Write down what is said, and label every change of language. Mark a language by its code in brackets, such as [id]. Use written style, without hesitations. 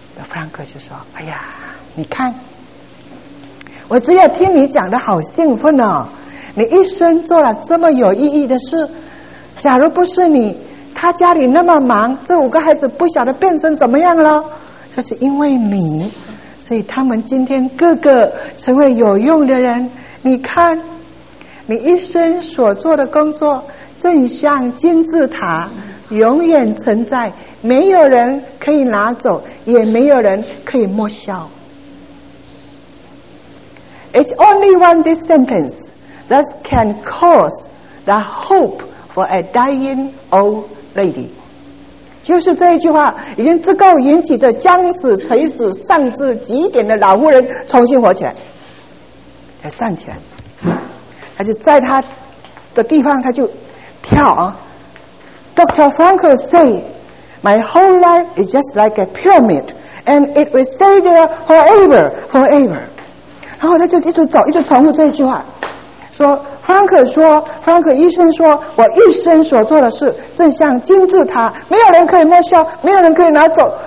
[zh] Frank 就说：“哎呀，你看我只有听你讲的好兴奋哦，你一生做了这么有意义的事，假如不是你，他家里那么忙，这五个孩子不晓得变成怎么样了，就是因为你，所以他们今天个个成为有用的人。你看你一生所做的工作正像金字塔，永远存在，没有人可以拿走，也没有人可以没收。 [en] It's only one this sentence that can cause the hope for a dying old lady. [zh] 就是这一句话已经足够引起这将死垂死丧至极点的老妇人重新活起来，他站起来，他就在他的地方他就跳啊。 [en] Dr. Frankl say, my whole life is just like a pyramid, and it will stay there forever, forever. [zh] 然后他就一直走，一直重复这一句话，说 Frankl 说 ，Frankl 医生说，我一生所做的事，正像金字塔，没有人可以摸消，没有人可以拿走。